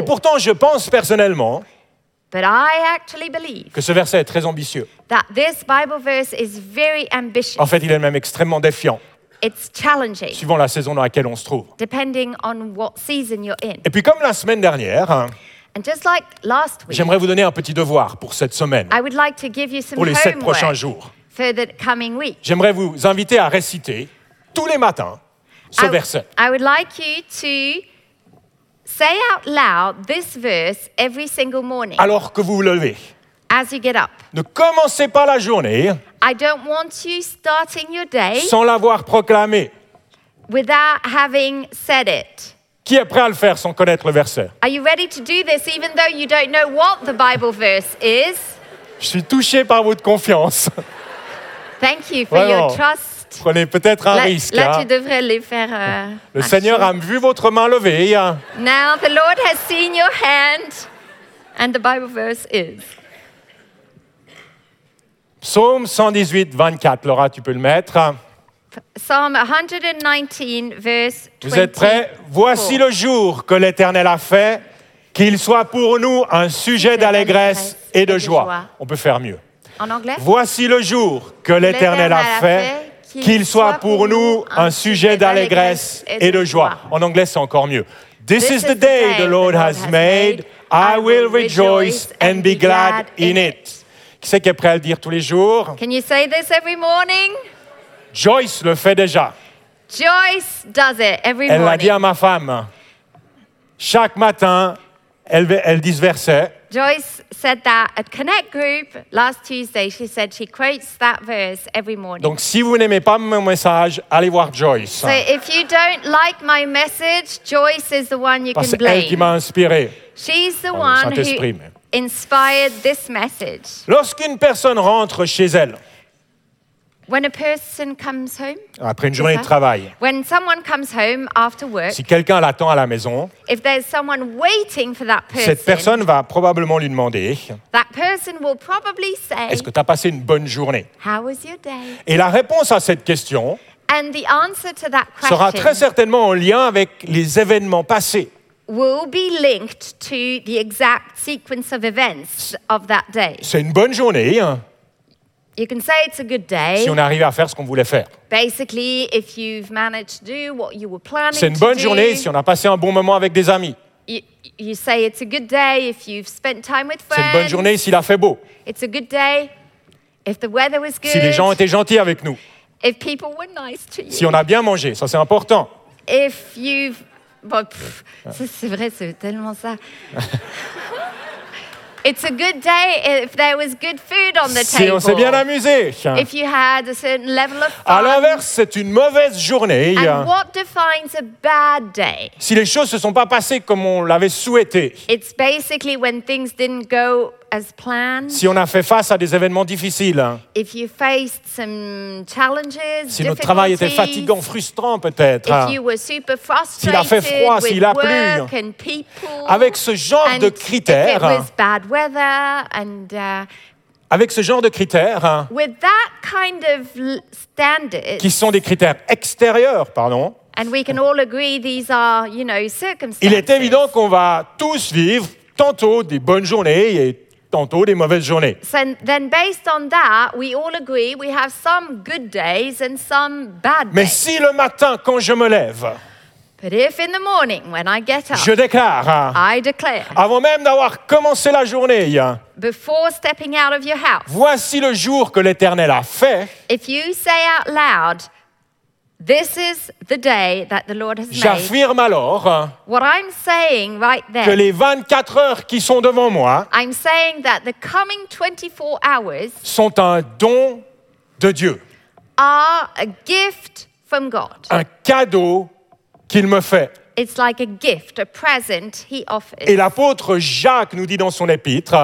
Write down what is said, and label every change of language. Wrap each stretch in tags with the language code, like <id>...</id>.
<fr>Et pourtant, je pense personnellement.</fr> <en>But I actually believe</en> <fr>que ce verset est très ambitieux.</fr> <en>That this Bible verse is very ambitious.</en> <fr>En fait, il est même extrêmement défiant.</fr> <en>It's challenging.</en> <fr>Suivant la saison dans laquelle on se trouve.</fr> <en>Depending on what season you're in.</en> <fr>Et puis comme la semaine dernière,</fr> <en>and just like last week,</en> <fr>j'aimerais vous donner un petit devoir pour cette semaine.</fr> <en>I would like to give you some</en> <fr>pour les sept prochains jours.</fr> <en>For the coming week.</en> <fr>J'aimerais vous inviter à réciter tous les matins ce verset.</fr> <en>I would like you to say out loud this verse every single morning.</en> <fr>Alors que vous vous levez.</fr> <en>As you get up.</en> <fr>Ne commencez pas la journée.</fr> <en>I don't want you starting your day.</en> <fr>Sans l'avoir proclamé.</fr> <en>Without having said it.</en> <fr>Qui est prêt à le faire sans connaître le verset?</fr> <en>Are you ready to do this even though you don't know what the Bible verse is?</en> <fr>Je suis touché par votre confiance.</fr> <en>Thank you for</en> <fr>vraiment.</fr> <en>Your trust.</en> <fr>Prenez peut-être un risque. Là, hein. Tu devrais les faire. Le Seigneur a vu votre main levée.</fr> <en>Now the Lord has seen your hand, and the Bible verse is.</en> <fr>Psaume 118, 24. Laura, tu peux le mettre.</fr> <en>Psalm 119, verse 24.</en> <fr>Vous êtes prêts? Voici le jour que l'Éternel a fait, qu'il soit pour nous un sujet d'allégresse et de joie. On peut faire mieux. En anglais? Voici le jour que l'Éternel a fait. Qu'il soit pour nous un sujet d'allégresse et de joie. En anglais, c'est encore mieux.</fr> <en>This is the day the Lord has made. I will rejoice and be glad in it.</en> <fr>Qui c'est qui est prêt à le dire tous les jours?</fr> <en>Can you say this every morning?</en> <fr>Joyce le fait déjà.</fr> <en>Joyce does it every morning.</en> <fr>Elle l'a dit à ma femme. Chaque matin, elle dit ce verset.</fr> <en>Joyce said that at Connect Group last Tuesday, she said she quotes that verse every morning.</en> <fr>Donc si vous n'aimez pas mon message, allez voir Joyce.</fr> <en>So if you don't like my message, Joyce is the one you</en> <fr>Parce</fr> <en>can blame.</en> <fr>C'est elle qui m'a inspiré.</fr> <en>She's the one who inspired this message.</en> <fr>Lorsqu'une personne rentre chez elle.</fr> <en>When a person comes home.</en> <fr>Après une journée de travail.</fr> <en>When someone comes home after work.</en> <fr>Si quelqu'un l'attend à la maison.</fr> <en>If there's someone waiting for that person.</en> <fr>Cette personne va probablement lui demander.</fr> <en>That person will probably say.</en> <fr>Est-ce que tu as passé une bonne journée?</fr> <en>How was your day?</en> <fr>Et la réponse à cette question.</fr> <en>And the answer to that question.</en> <fr>Sera très certainement en lien avec les événements passés.</fr> <en>Will be linked to the exact sequence of events of that day.</en> <fr>C'est une bonne journée.</fr> <en>You can say it's a good day.</en> <fr>Si on arrive à faire ce qu'on voulait faire.</fr> <en>Basically, if you've managed to do what you were planning to do.</en> <fr>C'est une bonne journée si on a passé un bon moment avec des amis.</fr> <en>You say it's a good day if you've spent time with friends.</en> <fr>C'est une bonne journée s'il a fait beau.</fr> <en>It's a good day if the weather was good.</en> <fr>Si les gens étaient gentils avec nous.</fr> <en>If people were nice to you.</en> <fr>Si on a bien mangé, ça c'est important.</fr> <en>If you've</en> <fr>bon, pff, ça c'est vrai, c'est tellement ça.</fr> <en>It's a good day if there was good food on the table.</en> <fr>Si on s'est bien amusé.</fr> <en>If you had a certain level of fun.</en> <fr>À l'inverse, c'est une mauvaise journée.</fr> <en>And what defines a bad day?</en> <fr>Si les choses se sont pas passées comme on l'avait souhaité.</fr> <en>It's basically when things didn't go as planned.</en> <fr>Si on a fait face à des événements difficiles.</fr> <en>If you faced some challenges.</en> <fr>Si notre travail était fatigant, frustrant peut-être.</fr> <en>If you were super frustrated.</en> <fr>S'il a fait froid, s'il a plu.</fr> <en>And people,</en> <fr>avec ce genre de critères.</fr> <en>If it was bad weather and</en> <fr>avec ce genre de critères.</fr> <en>With that kind of standard.</en> <fr>Qui sont des critères extérieurs, pardon.</fr> <en>And we can all agree these are, you know, circumstances.</en> <fr>Il est évident qu'on va tous vivre tantôt des bonnes journées et tantôt des mauvaises journées.</fr> <en>So then based on that, we all agree we have some good days and some bad days.</en> <fr>Mais si le matin quand je me lève,</fr> <en>but if in the morning when I get up,</en> <fr>je déclare,</fr> <en>I declare,</en> <fr>avant même d'avoir commencé la journée,</fr> <en>before stepping out of your house,</en> <fr>voici le jour que l'Éternel a fait,</fr> <en>if you say out loud, this is the day that the Lord has made,</en> <fr>j'affirme alors,</fr> <en>what I'm saying right then,</en> <fr>que les 24 heures qui sont devant moi,</fr> <en>I'm saying that the coming 24 hours,</en> <fr>sont un don de Dieu,</fr> <en>are a gift from God,</en> <fr>un cadeau qu'il me fait.</fr> <en>It's like a gift, a present he offers.</en> <fr>Et l'apôtre Jacques nous dit dans son épître,</fr>